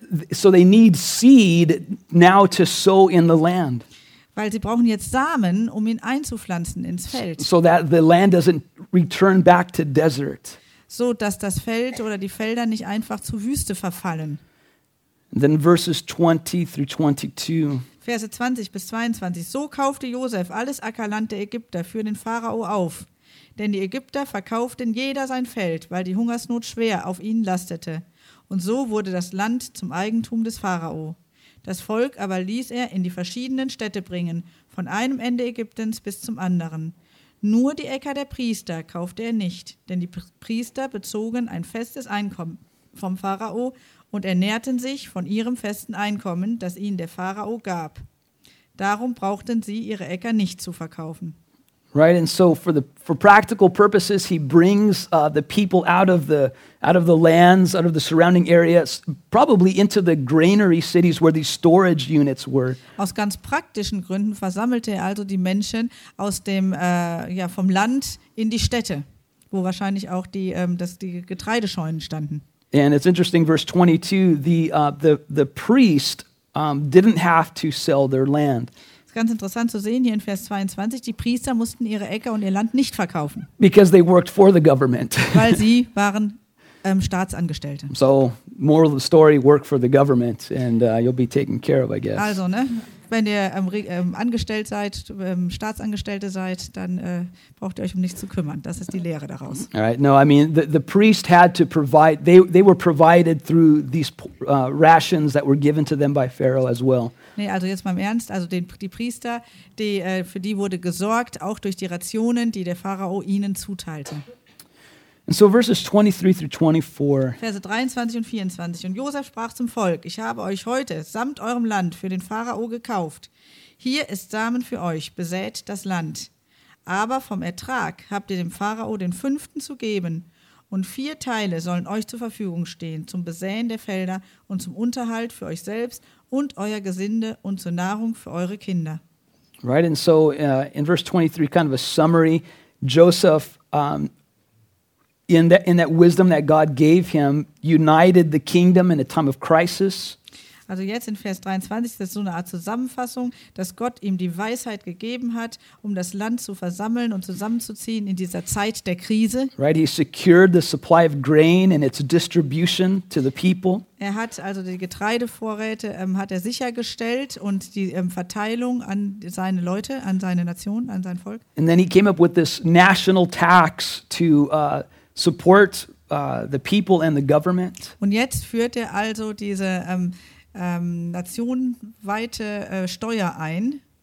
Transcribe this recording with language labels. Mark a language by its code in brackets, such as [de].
[en] So they need seed now to sow in the land. [de] Weil sie brauchen jetzt Samen, um ihn einzupflanzen ins Feld. [en] So that the land doesn't return back to desert. [de] So dass das Feld oder die Felder nicht einfach zur Wüste verfallen. [en] Then verses 20 through 22. [de] Verse 20 bis 22. So kaufte Josef alles Ackerland der Ägypter für den Pharao auf. Denn die Ägypter verkauften jeder sein Feld, weil die Hungersnot schwer auf ihnen lastete. Und so wurde das Land zum Eigentum des Pharao. Das Volk aber ließ er in die verschiedenen Städte bringen, von einem Ende Ägyptens bis zum anderen. Nur die Äcker der Priester kaufte er nicht, denn die Priester bezogen ein festes Einkommen vom Pharao und ernährten sich von ihrem festen Einkommen, das ihnen der Pharao gab. Darum brauchten sie ihre Äcker nicht zu verkaufen. [en] Right, and so for practical purposes, he brings the people out of the lands, out of the surrounding areas, probably into the granary cities where these storage units were. [de] Aus ganz praktischen Gründen versammelte er also die Menschen aus dem vom Land in die Städte, wo wahrscheinlich auch die Getreidescheunen standen. [en] And it's interesting, verse 22, the priest didn't have to sell their land. [de] Ist ganz interessant zu sehen hier in Vers 22, die Priester mussten ihre Äcker und ihr Land nicht verkaufen. [en] Because they worked for the government. [de] Weil sie waren Staatsangestellte. [en] So, moral of the story, work for the government and you'll be taken care of, I guess. [de] Also, ne? Wenn ihr angestellt seid, Staatsangestellte seid, dann braucht ihr euch um nichts zu kümmern. Das ist die Lehre daraus. [en] All right. No, I mean, the priest had to provide, they were provided through these rations that were given to them by Pharaoh as well. [de] Nee, also jetzt mal im Ernst, also die Priester, für die wurde gesorgt, auch durch die Rationen, die der Pharao ihnen zuteilte. [en] And so verses 23 through 24. [de] Verse 23 und 24. Und Josef sprach zum Volk: Ich habe euch heute samt eurem Land für den Pharao gekauft. Hier ist Samen für euch, besät das Land. Aber vom Ertrag habt ihr dem Pharao den fünften zu geben. Und vier Teile sollen euch zur Verfügung stehen, zum Besäen der Felder und zum Unterhalt für euch selbst und euer Gesinde und zur Nahrung für eure Kinder. [en] Right, and so in verse 23, kind of a summary, Joseph, In that wisdom that God gave him, united the kingdom in a time of crisis. [de] Also jetzt in Vers 23, das ist so eine Art Zusammenfassung, dass Gott ihm die Weisheit gegeben hat, um das Land zu versammeln und zusammenzuziehen in dieser Zeit der Krise. [en] Right, he secured the supply of grain and its distribution to the people. [de] Er hat also die Getreidevorräte hat er sichergestellt und die Verteilung an seine Leute, an seine Nation, an sein Volk. [en] And then he came up with this national tax to support the people and the government. [de] Und jetzt führt er also diese nationweite Steuer ein.